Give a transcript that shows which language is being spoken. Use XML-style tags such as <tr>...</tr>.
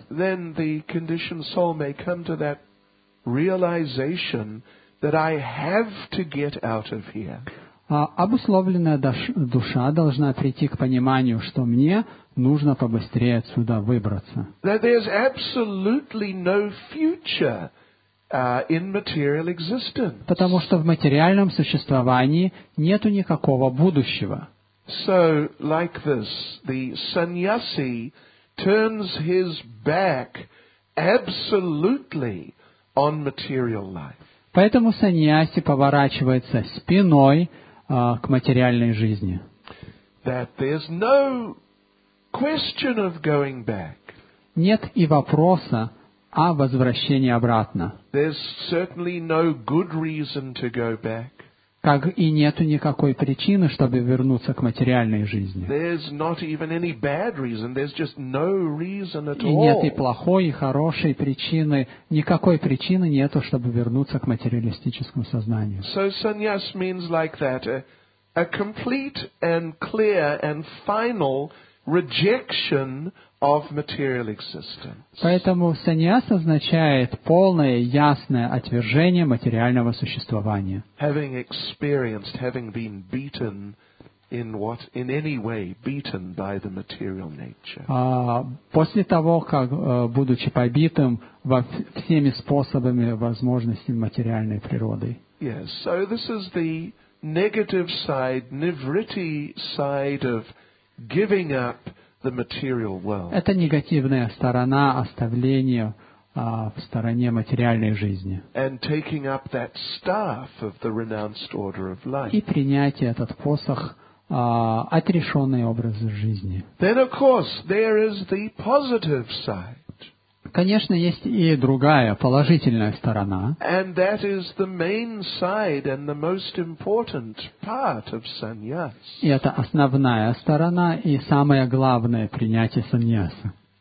<en>then the conditioned soul may come to that realization that I have to get out of here.</en> <ru>обусловленная душа должна прийти к пониманию, что мне нужно побыстрее отсюда выбраться.</ru> <en>That there's absolutely no future in material existence.</en> <ru>Потому что в материальном существовании нету никакого будущего.</ru> <en>So, like this, the sannyasi turns his back absolutely on material life.</en> <ru>Поэтому саньяси поворачивается спиной к материальной жизни.</ru> <en>That there's no question of going back.</en> <ru>Нет и вопроса о возвращении обратно.</ru> <en>There's certainly no good reason to go back.</en> <ru>Как и нету никакой причины, чтобы вернуться к материальной жизни.</ru> <en>There's not even any bad reason. There's just no reason at all.</en> <ru>И нет и плохой, и хорошей причины. Никакой причины нету, чтобы вернуться к материалистическому сознанию.</ru> <en>So sannyas means like that, a complete and clear and final rejection of material existence.</en> <ru>Поэтому саньяс означает полное, ясное отвержение материального существования.</ru> <en>Having experienced, having been beaten in what, in any way, beaten by the material nature.</en> <ru>После того, как, будучи побитым во всеми способами возможностей материальной природы.</ru> <en>Yes, so this is the negative side, nivritti side of giving up the material world.</en> <ru>Это негативная сторона оставления в стороне материальной жизни.</ru> <en>And taking up that staff of the renounced order of life.</en> <ru>И принятие этот посох отрешенный образ жизни.</ru> <en>Then of course there is the positive side.</en> <ru>Конечно, есть и другая положительная сторона.</ru> <en>And that is the main side and the most important part of sannyas.</en> <ru>И это основная сторона и самое главное принятие саньяса.</ru>